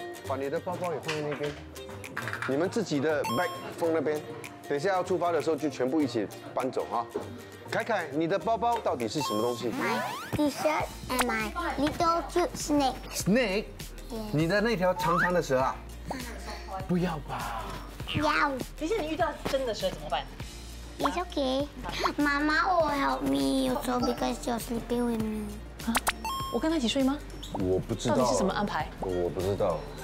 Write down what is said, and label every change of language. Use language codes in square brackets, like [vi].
[zh] 把你的包包也放在那边，你们自己的 bag 放那边，等一下要出发的时候就全部一起搬走啊！凯凯，你的包包到底是什么东西？My [en] T-shirt and my little cute snake. Snake？ [zh] 你的那条长长的蛇啊？不要吧！要。等一下你遇到真的蛇怎么办 [en] ？It's okay. Mama will help me also because you're sleeping with me. [zh] 啊？我跟他一起睡吗？我不知道。到底是什么安排？我不知道。